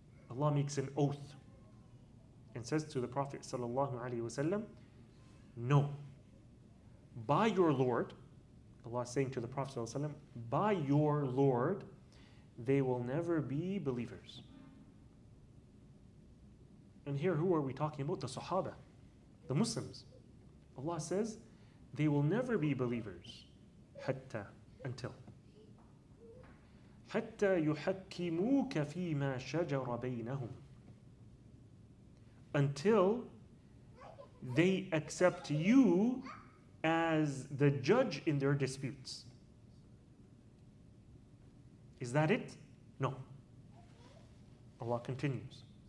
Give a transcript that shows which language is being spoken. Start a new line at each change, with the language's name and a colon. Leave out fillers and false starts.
English: Allah makes an oath and says to the Prophet sallallahu alaihi wasallam, no, by your Lord, Allah is saying to the Prophet sallallahu alaihi wasallam, by your Lord, they will never be believers. And here, who are we talking about? The Sahaba, the Muslims. Allah says, they will never be believers, حتى, until.
Arabic: حتى يحكموك فيما شجر بينهم.
English: Until they accept you as the judge in their disputes. Is that it? No. Allah continues.